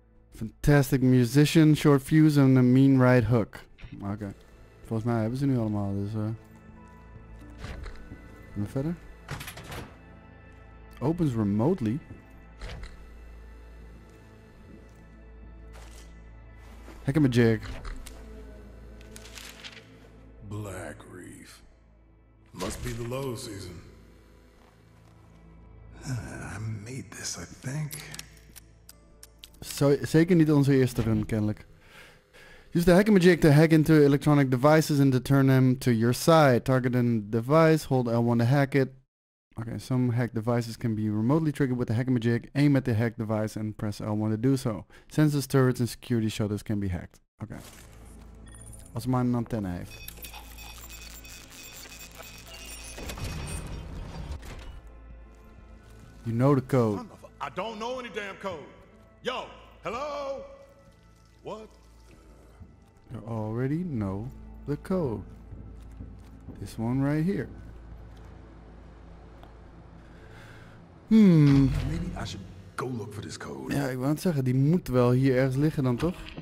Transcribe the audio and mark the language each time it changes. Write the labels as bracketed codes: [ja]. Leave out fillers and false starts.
[en] Fantastic musician, short fuse and a mean right hook. Okay. [nl] Volgens mij hebben ze nu allemaal, dus gaan we verder. [en] Opens remotely. Hekkamajig. Black Reef. Must be the low season. I made this, I think. [nl] Zeker niet onze eerste run, kennelijk. [en] Use the hekkamajig to hack into electronic devices and to turn them to your side. Target a device, hold L1 to hack it. Okay, some hack devices can be remotely triggered with the hekkamajig. Aim at the hack device and press L1 to do so. Sensors, turrets and security shutters can be hacked. Okay. [nl] Als man een antenne heeft. [en] You know the code. I don't know any damn code. Yo, hello? What? You already know the code. This one right here. Maybe I should go look for this code. [nl] Ja, ik wou het zeggen, die moet wel hier ergens liggen dan toch?